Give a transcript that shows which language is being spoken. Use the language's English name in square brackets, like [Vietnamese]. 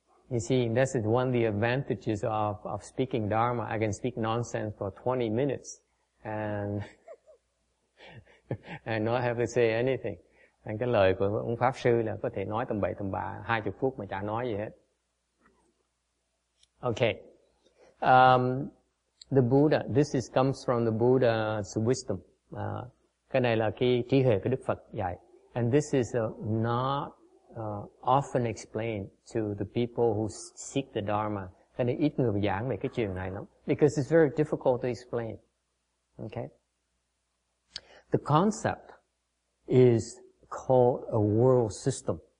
[English] You see, this is one of the advantages of speaking Dharma. I can speak nonsense for 20 minutes and not have to say anything. [Vietnamese] And cái lời của ông Pháp Sư là có thể nói tầm bậy tầm bạ 20 phút mà chả nói gì hết. [English] Okay. The Buddha, this is comes from the Buddha's wisdom. [Vietnamese] Cái này là cái trí huệ của Đức Phật dạy. [English] And this is not often explained to the people who seek the Dharma. [Vietnamese] Cái này ít người giảng về cái chuyện này lắm. [English] Because it's very difficult to explain. Okay? The concept is called a world system.